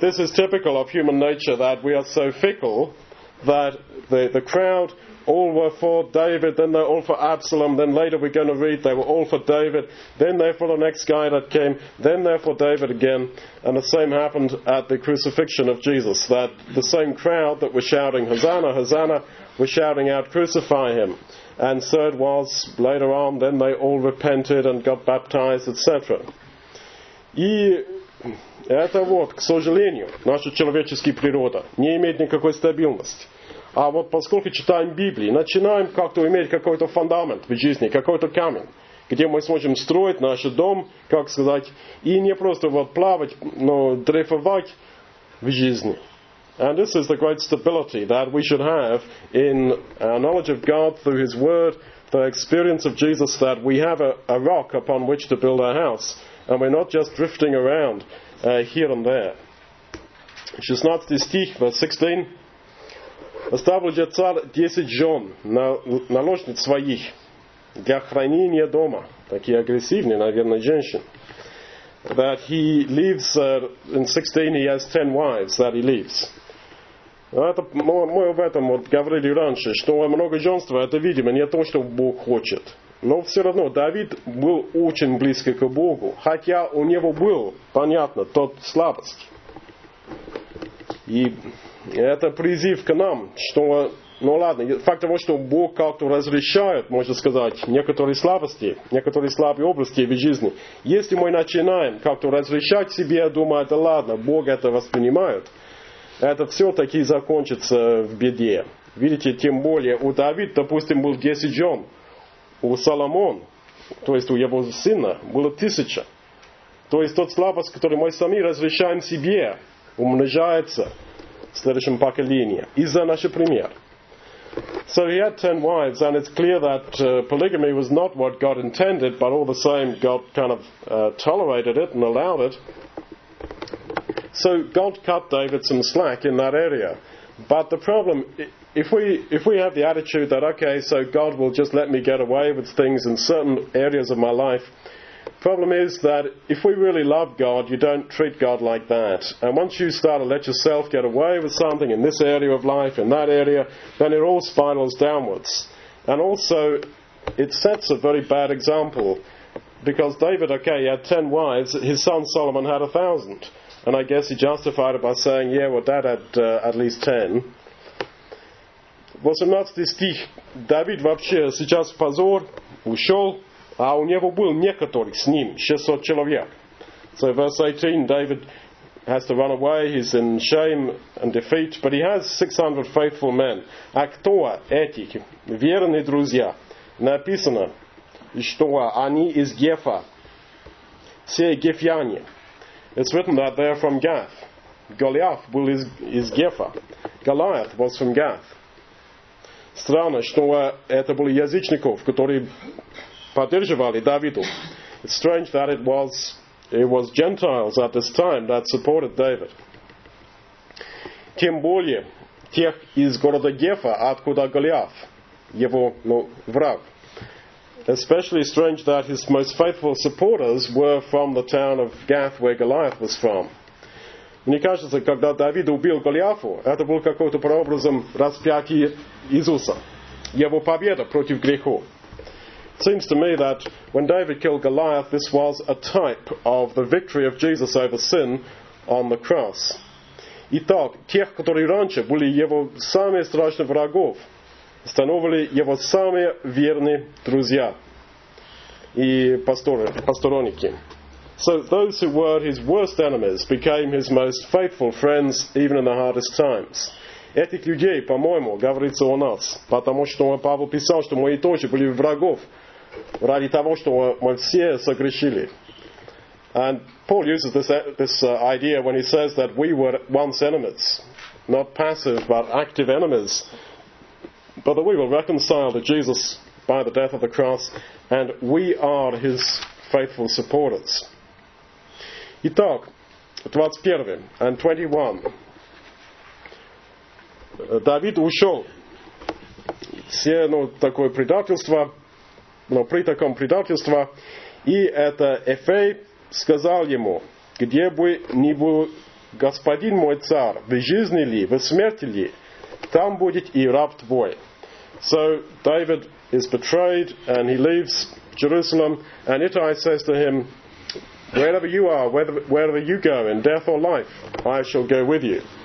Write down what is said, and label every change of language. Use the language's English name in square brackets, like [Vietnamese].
[English] This is typical of human nature that we are so fickle that the crowd all were for David, then they're all for Absalom, then later we're going to read they were all for David, then they're for the next guy that came, then they're for David again, and the same happened at the crucifixion of Jesus, that the same crowd that were shouting Hosanna, Hosanna, were shouting out crucify him, and so it was later on, then they all repented and got baptized, etc. [Russian] И Это вот, к сожалению, наша человеческая природа не имеет никакой стабильности. А вот поскольку читаем Библию, начинаем как-то иметь какой-то фундамент в жизни, какой-то камень, где мы сможем строить наш дом, как сказать, и не просто вот плавать, но дрейфовать в жизни. [English] And this is the great stability that we should have in our knowledge of God through His Word, the experience of Jesus, that we have a rock upon which to build our house, and we're not just drifting around here and there. [Russian] 16 стих, [English] verse 16. [Russian] Оставляет царь 10 жен наложниц своих для хранения дома. Такие агрессивные, наверное, женщины. [English] That he leaves, in 16 he has 10 wives that he leaves. [Russian] Это, мы об этом вот говорили раньше, что многоженство, это, видимо, не то, что Бог хочет. Но все равно Давид был очень близко к Богу, хотя у него был, понятно, тот слабость. И это призыв к нам, что, ну ладно, факт того, что Бог как-то разрешает, можно сказать, некоторые слабости, некоторые слабые области в жизни. Если мы начинаем как-то разрешать себе, думая, да ладно, Бог это воспринимает, это все-таки закончится в беде. Видите, тем более у Давида, допустим, был 10 жен, у Соломона, то есть у его сына, было 1000. То есть тот слабость, который мы сами разрешаем себе, умножается следующем поколении. Из-за нашего примера. [English] So he had 10 wives, and it's clear that polygamy was not what God intended, but all the same, God kind of tolerated it and allowed it. So God cut David some slack in that area. But the problem, if we have the attitude that, okay, so God will just let me get away with things in certain areas of my life, problem is that if we really love God, you don't treat God like that. And once you start to let yourself get away with something in this area of life, in that area, then it all spirals downwards. And also, it sets a very bad example. Because David, okay, he had 10 wives, his son Solomon had 1,000. And I guess he justified it by saying, yeah, well, Dad had at least 10. [Russian] Вот 17 стих. Давид вообще сейчас в позор, ушел. А у него был некоторый с ним, 600 человек. [English] So verse 18, David has to run away, he's in shame and defeat, but he has 600 faithful men. [Russian] А кто эти верные друзья? Написано, что они из Гефа. Все гефяне. [English] It's written that they're from Gath. [Russian] Голиаф был из Гефа. Голиаф [English] was from Gath. [Russian] Странно, что это были язычников, которые поддерживали Давиду. [English] It's strange that it was Gentiles at this time that supported David. [Russian] Тем более тех из города Гефа, откуда Голиаф, его враг. [English] Especially strange that his most faithful supporters were from the town of Gath, where Goliath was from. [Russian] Мне кажется, когда Давид убил Голиафа, это был какой-то прообразом распятия Иисуса, его победа против греха. [English] It seems to me that when David killed Goliath, this was a type of the victory of Jesus over sin on the cross. [Russian] Итак, тех, которые раньше были его самыми страшными врагами, становили его самыми верными друзья и посторонники. [English] So those who were his worst enemies became his most faithful friends even in the hardest times. [Russian] Этих людей, по-моему, говорится о нас, потому что Павел писал, что мы тоже были врагов, ради того, что мы все согрешили. [English] And Paul uses this idea when he says that we were once enemies, not passive but active enemies, but that we were reconciled to Jesus by the death of the cross, and we are his faithful supporters. [Russian] Итак, 21 and 21. Давид ушел. Все, такое предательство. Но при таком предательстве, и это Эфей сказал ему, где бы ни был господин мой царь, в жизни ли, в смерти ли, там будет и раб твой. [English] So David is betrayed, and he leaves Jerusalem, and Ittai says to him, wherever you are, wherever you go, in death or life, I shall go with you.